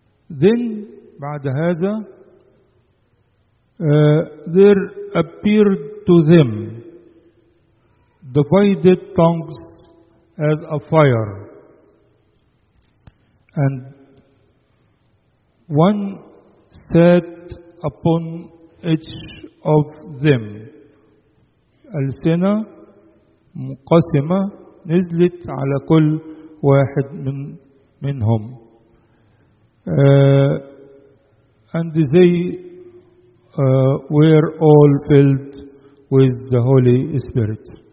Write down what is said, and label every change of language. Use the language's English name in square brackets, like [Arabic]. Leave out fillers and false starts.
[English] Then, [Arabic] بعد هذا, [English] there appeared to them divided tongues as a fire, and one sat upon each of them. [Arabic] السنة مقسمة نزلت على كل واحد منهم. [English] And they were all filled with the Holy Spirit.